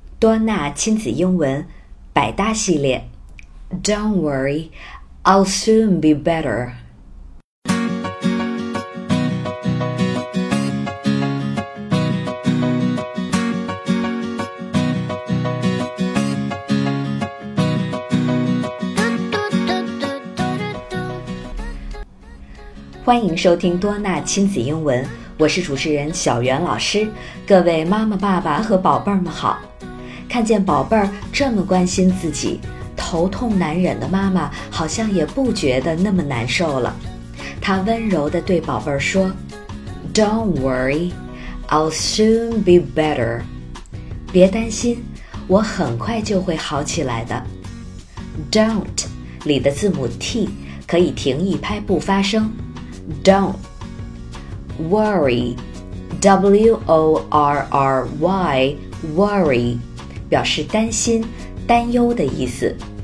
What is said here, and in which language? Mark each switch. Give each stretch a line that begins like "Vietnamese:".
Chinese: 多纳亲子英文百搭系列。
English: Don't worry, I'll soon be better.
Chinese: 欢迎收听多纳亲子英文，我是主持人小袁老师。各位妈妈爸爸和宝贝儿们好，看见宝贝儿这么关心自己，头痛难忍的妈妈好像也不觉得那么难受了。她温柔地对宝贝儿说，
English: Don't worry, I'll soon be better.
Chinese: 别担心，我很快就会好起来的。 Don't 里的字母 T 可以停一拍不发声，
English: Don't worry,
Chinese: W-O-R-R-Y, worry, 表示担心、担忧的意思。